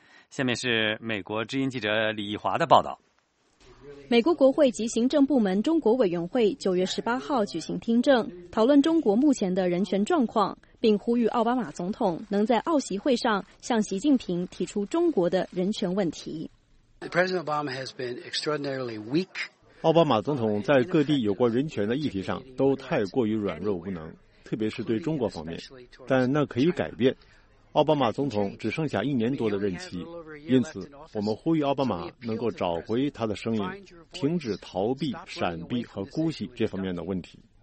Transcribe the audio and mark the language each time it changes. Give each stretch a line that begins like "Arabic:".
Chinese: 下面是美国之音记者李华的报道。美国国会及行政部门中国委员会9月18号举行听证，讨论中国目前的人权状况，并呼吁奥巴马总统能在奥席会上向习近平提出中国的人权问题。
English: President Obama has been extraordinarily weak.
Chinese: 奥巴马总统在各地有关人权的议题上都太过于软弱无能，特别是对中国方面，但那可以改变。奥巴马总统只剩下一年多的任期，因此我们呼吁奥巴马能够找回他的声音，停止逃避、闪避和姑息这方面的问题。